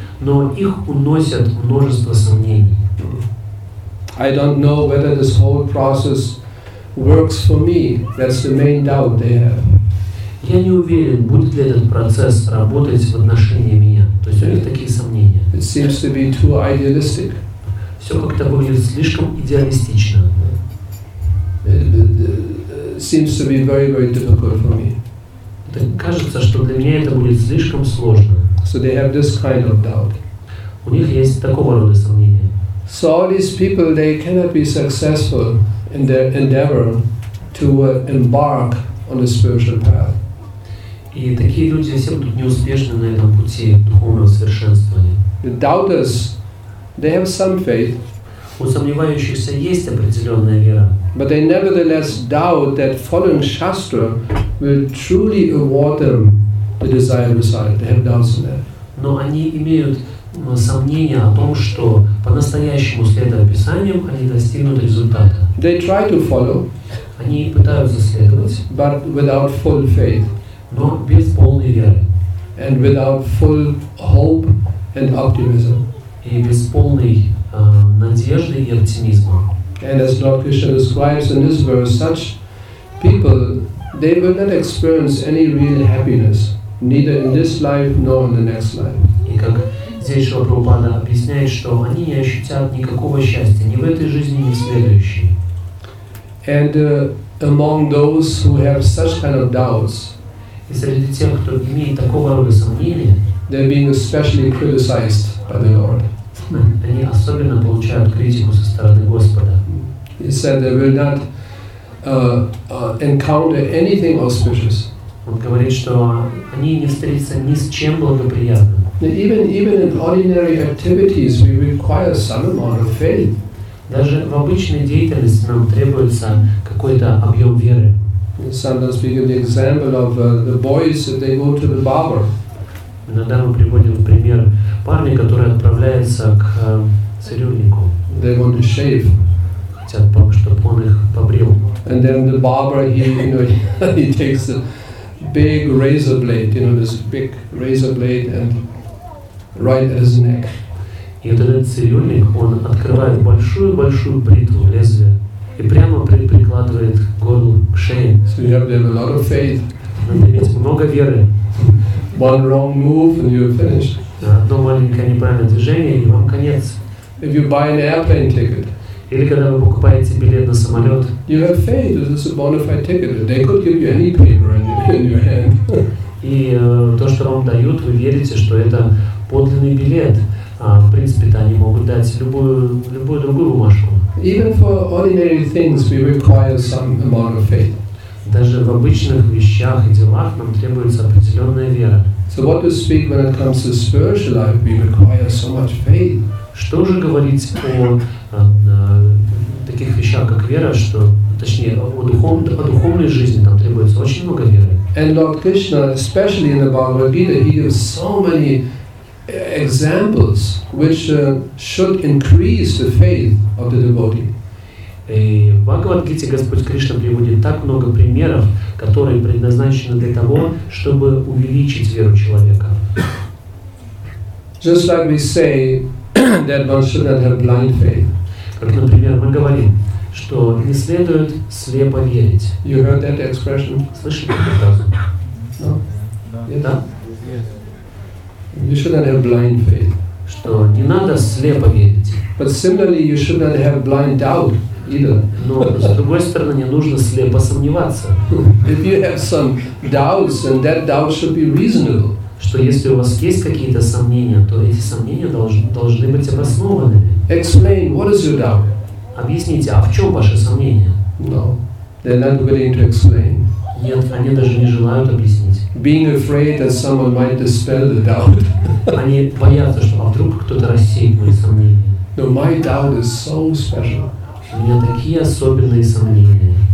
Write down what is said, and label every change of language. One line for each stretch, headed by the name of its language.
Russian: Но их уносят множество сомнений.
English: I don't know whether this whole process works for me. That's the main doubt they have.
Russian: Я не уверен, будет ли этот процесс работать в отношении меня. То есть у них такие сомнения.
English: It seems to be too idealistic.
Russian: Все как-то выглядит слишком идеалистично.
English: It seems to be very, very difficult for me.
Russian: Так кажется, что для меня это будет слишком сложно.
English: So they have this kind of doubt.
Russian: У них есть такого рода сомнения.
English: So all these people, they cannot be successful in their endeavor to embark on the spiritual path.
Russian: И такие люди все будут неуспешны на этом пути духовного совершенствования.
English: The doubters, they have some faith.
Russian: У сомневающихся есть определенная вера.
English: But they nevertheless doubt that following Shastra will truly award them the desired result. They have doubts in that.
Russian: Но они имеют сомнения о том, что по-настоящему следуя Писанию, они достигнут результата.
English: They try to follow.
Russian: Они пытаются следовать.
English: But without full faith.
Russian: Но без полной веры.
English: And without full hope and optimism.
Russian: И без полной надежды и оптимизма.
English: And as Lord Krishna describes in this verse, such people, they will not experience any real happiness, neither in this life nor in the next life.
Russian: И как здесь Шрила Прабхупада объясняет, что они не ощутят никакого счастья ни в этой жизни, ни в следующей.
English: And among those who have such kind of doubts,
Russian: и среди тех, кто имеет такого рода сомнения,
English: they're being especially criticized by the Lord.
Russian: Они особенно получают критику со стороны Господа.
English: He said they will not encounter anything auspicious.
Russian: Он говорит, что они не встретятся ни с чем благоприятным.
English: Even in ordinary activities, we require some amount of faith.
Russian: Даже в обычной деятельности нам требуется какой-то объем веры.
English: Sometimes we give the example of the boys if they go to the barber.
Russian: Иногда мы приводим пример парня, который отправляется к цирюльнику.
English: They want to shave.
Russian: Хотят, чтобы он их побрил.
English: And then the barber, he takes a big razor blade, this big razor blade, and right at his neck.
Russian: И вот этот цирюльник, он открывает большую-большую бритву, лезвие, и прямо прикладывает к горлу, к шее.
English: So you have to have a lot of faith.
Russian: Надо иметь много веры.
English: One wrong move and you're finished.
Russian: Одно маленькое неправильное движение, и вам конец.
English: If you buy an airplane ticket,
Russian: или когда вы покупаете билет на самолет,
English: you have faith, this is a bona fide ticket. They could give you any paper in your hand.
Russian: И то, что вам дают, вы верите, что это подлинный билет. В принципе-то они могут дать любую другую бумажку.
English: Even for ordinary things we require some amount of faith.
Russian: Даже в обычных вещах и делах нам требуется определенная вера.
English: So what to speak when it comes to spiritual life, we require so much faith.
Russian: Что же говорить о таких вещах, как вера, что, точнее, о духовной жизни, там требуется очень много веры.
English: And Lord Krishna, especially in the Bhagavad Gita, he gives so many examples which should increase the faith of the devotee.
Russian: И в Бхагавад-гите Господь Кришна приводит так много примеров, которые предназначены для того, чтобы увеличить веру человека.
English: Just like we say that one should not have blind faith.
Russian: Как, например, мы говорим, что не следует слепо верить.
English: You heard that expression?
Russian: Слышали эту фразу?
English: No? Yes. You should not have blind faith.
Russian: Что не надо слепо верить.
English: But similarly, you should not have blind doubt.
Russian: Но с другой стороны, не нужно слепо сомневаться.
English: If you have some doubts, then that doubt should be reasonable.
Russian: Что если у вас есть какие-то сомнения, то эти сомнения должны быть обоснованы.
English: Explain what is your doubt.
Russian: Объясните, а в чем ваши сомнения?
English: No, they're not willing to explain.
Russian: Нет, они даже не желают объяснить.
English: Being afraid that someone might dispel the doubt.
Russian: Они боятся, что вдруг кто-то рассеет мои сомнения.
English: No, my doubt is so special.
Russian: У меня такие особенные сомнения.